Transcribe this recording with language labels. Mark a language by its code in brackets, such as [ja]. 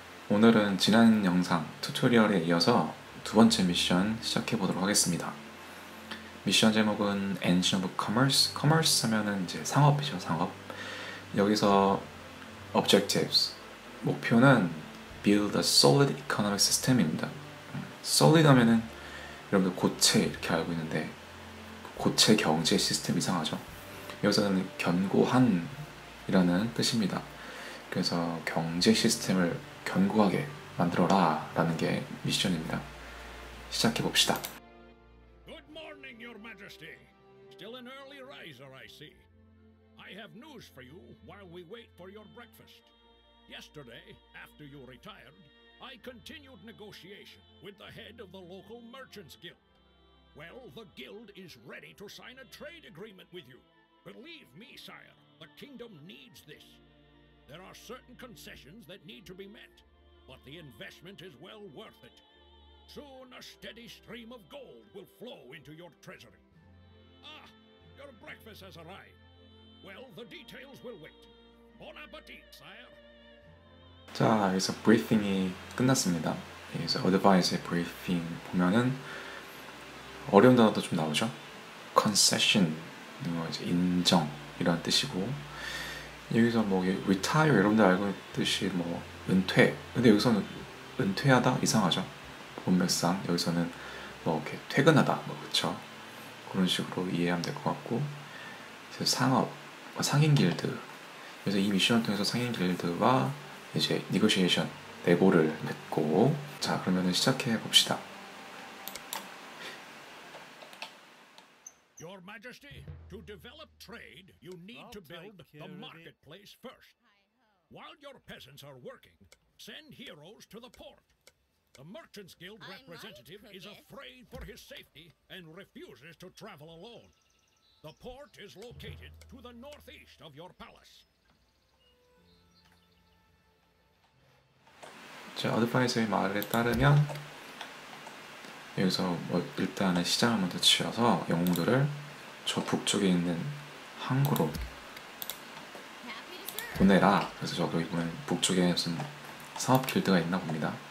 [ko] 오늘은 지난 영상 튜토리얼에 이어서 두 번째 미션 시작해 보도록 하겠습니다. 미션 제목은 Engine of Commerce. Commerce 하면은 이제 상업이죠, 상업. 여기서 Objectives. 목표는 Build a Solid Economic System입니다. Solid 하면은 여러분들 고체 이렇게 알고 있는데 고체 경제 시스템 이상하죠? 여기서는 견고한이라는 뜻입니다. 그래서 경제 시스템을 견고하게 만들어라라는 게 미션입니다. 시작해 봅시다. [en] Your Majesty. Still an early riser, I see. I have news for you while we wait for your breakfast. Yesterday, after you retired, I continued negotiation with the head of the local merchants' guild. Well, the guild is ready to sign a trade agreement with you. Believe me, sire, the kingdom needs this. There are certain concessions that need to be met, but the investment is well worth it. Soon a steady stream of gold will flow into your treasury. Ah, your breakfast has arrived. Well, the details will wait. Bon appetit, sire. [ko] 자, 여기서 브리핑이 끝났습니다. 여기서 어드바이스의 브리핑 보면은 어려운 단어도 좀 나오죠. Concession, 인정 이런 뜻이고 여기서 뭐 retire 여러분들 알고 있듯이 뭐 은퇴. 근데 여기서는 은퇴하다 이상하죠. 본명상 여기서는 뭐 이렇게 퇴근하다 뭐 그렇죠. 그런 식으로 이해하면 될것 같고 상업 상인 길드. 그래서 이 미션을 통해서 상인 길드와 이제 negotiation 내고를 맺고 자 그러면은 시작해 봅시다. [en] Your Majesty, to develop trade, you need to build the marketplace first. While your peasants are working, send heroes to the port. The Merchants Guild I might representative is progress. afraid for his safety and refuses to travel alone. The port is located to the northeast of your palace. [ko] 자, 어드바이저의 말에 따르면 여기서 뭐 일단은 시장을 먼저 치어서 영웅들을 저 북쪽에 있는 항구로 보내라. 그래서 저기 보면 북쪽에 무슨 상업 길드가 있나 봅니다.